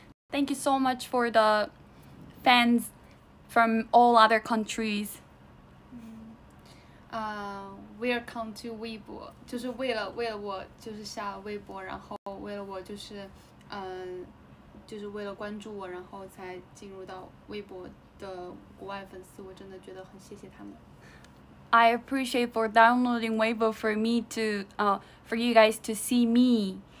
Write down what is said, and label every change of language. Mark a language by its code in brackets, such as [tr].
[en] Thank you so much for the fans from all other countries. Welcome to Weibo， [zh] 就是为了我就是下微博，然后为了我就是就是为了关注我，然后才进入到微博的国外粉丝，我真的觉得很谢谢他们。 [en] I appreciate for downloading Weibo for me to for you guys to see me。